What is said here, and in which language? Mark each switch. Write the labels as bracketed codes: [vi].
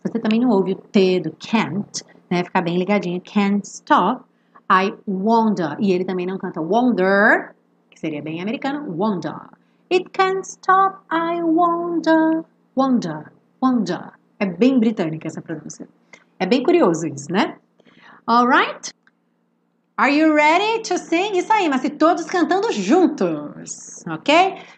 [pt] Você também não ouve o T do can't, né? Ficar bem ligadinho. [en] Can't stop. I wonder. [pt] E ele também não canta wonder, que seria bem americano. [en] Wonder. It can't stop, I wonder, wonder, wonder. [pt] É bem britânica essa pronúncia. É bem curioso isso, né? [en] All right? Are you ready to sing? [pt] Isso aí, mas se todos cantando juntos, ok?